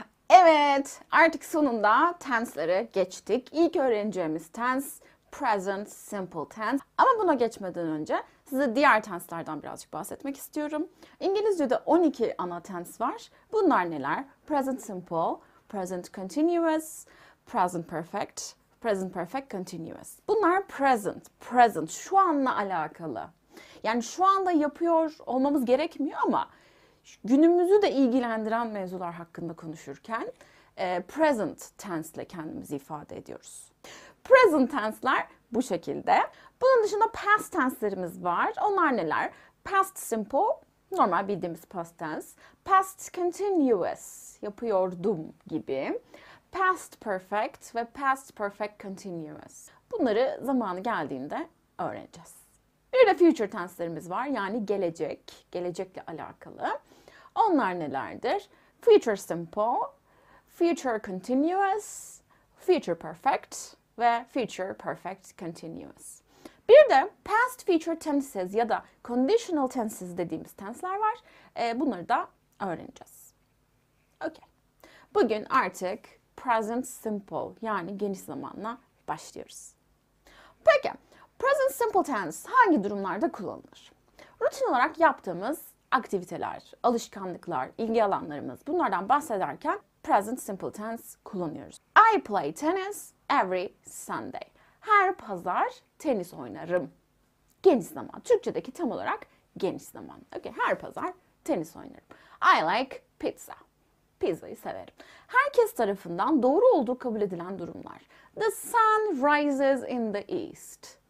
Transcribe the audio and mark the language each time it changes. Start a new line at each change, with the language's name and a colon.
Turkish: Evet, artık sonunda tense'lere geçtik. İlk öğreneceğimiz tense present simple tense. Ama buna geçmeden önce size diğer tenslerden birazcık bahsetmek istiyorum. İngilizce'de 12 ana tense var. Bunlar neler?
English: Present simple, present continuous, present perfect, present perfect continuous.
Turkish: Bunlar present, present, şu anla alakalı. Yani şu anda yapıyor olmamız gerekmiyor ama günümüzü de ilgilendiren mevzular hakkında konuşurken present tense ile kendimizi ifade ediyoruz. Present tense'ler bu şekilde. Bunun dışında past tense'lerimiz var. Onlar neler? Past simple, normal bildiğimiz past tense. Past continuous, yapıyordum gibi.
English: Past perfect ve past perfect continuous.
Turkish: Bunları zamanı geldiğinde öğreneceğiz. Bir de future tense'lerimiz var. Yani gelecek, gelecekle alakalı. Onlar nelerdir?
English: Future simple, future continuous, future perfect ve future perfect continuous.
Turkish: Bir de past future tenses ya da conditional tenses dediğimiz tensler var. Bunları da öğreneceğiz. Okay. Bugün artık present simple yani geniş zamanla başlıyoruz. Peki, present simple tense hangi durumlarda kullanılır? Rutin olarak yaptığımız aktiviteler, alışkanlıklar, ilgi alanlarımız bunlardan bahsederken present simple tense kullanıyoruz.
English: I play tennis every Sunday.
Turkish: Her pazar tenis oynarım. Geniş zaman. Türkçedeki tam olarak geniş zaman. Okay, her pazar tenis oynarım.
English: I like pizza.
Turkish: Pizzayı severim. Herkes tarafından doğru olduğu kabul edilen durumlar.
English: The sun rises in the east.